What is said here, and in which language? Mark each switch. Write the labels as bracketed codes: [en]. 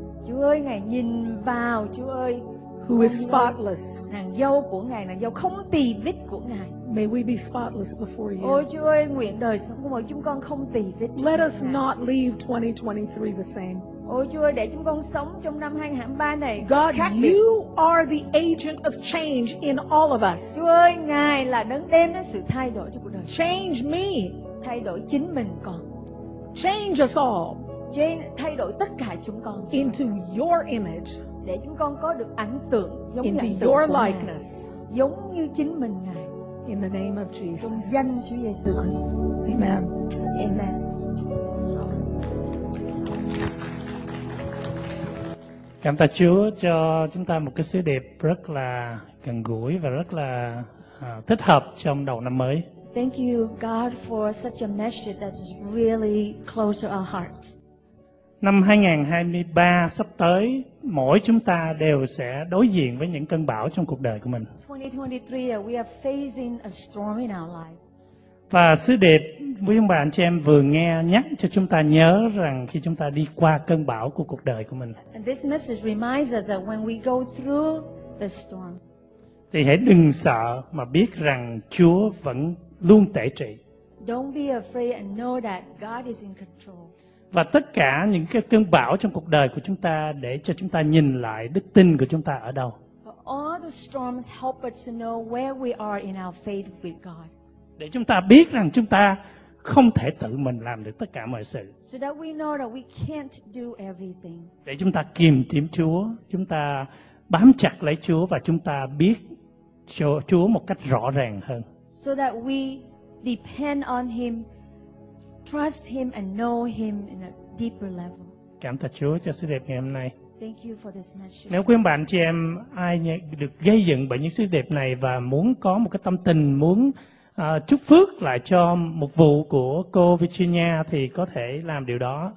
[vi] Chúa ơi, Ngài nhìn vào, Chúa ơi. [en] Who is spotless. [vi] Nàng dâu của Ngài, nàng dâu không tì vết của Ngài. [en] May we be spotless before you. [vi] Ôi Chúa ơi, nguyện đời sống của chúng con không tì vết. [en] Let us not leave 2023 the same. [vi] Ôi Chúa, để chúng con sống trong năm 2023 này. [en] God, you are the agent of change in all of us. [vi] Chúa ơi, Ngài là đấng đem đến sự thay đổi cho cuộc đời. [en] Change me. [vi] Thay đổi chính mình con. [en] Change us all. [vi] Thay đổi tất cả chúng con. [en] Into your image. [vi] Để chúng con có được ảnh tượng giống như [en] Into your likeness. [vi] Giống như chính mình Ngài. [en] In the name of Jesus. [vi] Trong danh Chúa Jesus. [en] Amen. Amen. [vi] Cảm tạ Chúa cho chúng ta một cái sứ điệp rất là gần gũi và rất là thích hợp trong đầu năm mới. [en] Thank you God for such a message that's really close to our heart. [vi] Năm 2023 sắp tới, mỗi chúng ta đều sẽ đối diện với những cơn bão trong cuộc đời của mình. [en] 2023, we are facing a storm in our life. [vi] Và sứ điệp quý ông bà anh chị em vừa nghe nhắc cho chúng ta nhớ rằng khi chúng ta đi qua cơn bão của cuộc đời của mình. [en] And this message reminds us that when we go through the storm, [vi] thì hãy đừng sợ mà biết rằng Chúa vẫn luôn tể trị. [en] Don't be afraid and know that God is in control. [vi] Và tất cả những cái cơn bão trong cuộc đời của chúng ta để cho chúng ta nhìn lại đức tin của chúng ta ở đâu. [en] But all the storms help us to know where we are in our faith with God. [vi] Để chúng ta biết rằng chúng ta không thể tự mình làm được tất cả mọi sự. [en] So that we know that we can't do everything. [vi] Để chúng ta kiềm tìm Chúa, chúng ta bám chặt lấy Chúa và chúng ta biết Chúa một cách rõ ràng hơn. [en] So that we depend on Him, trust Him and know Him in a deeper level. [vi] Cảm tạ Chúa cho sứ điệp ngày hôm nay. [en] Thank you for this message. [vi] Nếu quý ông bà anh chị em ai được gây dựng bởi những sứ điệp này và muốn có một cái tâm tình muốn chúc phước lại cho một vụ của cô Virginia thì có thể làm điều đó.